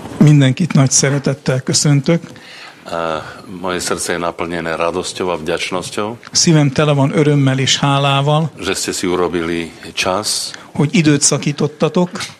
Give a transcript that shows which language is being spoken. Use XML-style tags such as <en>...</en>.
<hu>Mindenkit nagy szeretettel köszöntök.</hu> <sk>Moje srdce je naplnené radosťou a vďačnosťou.</sk> <hu>Szívem tele van örömmel és hálával.</hu> <sk>Že ste si urobili čas.</sk> <hu>Hogy időt szakítottatok.</hu>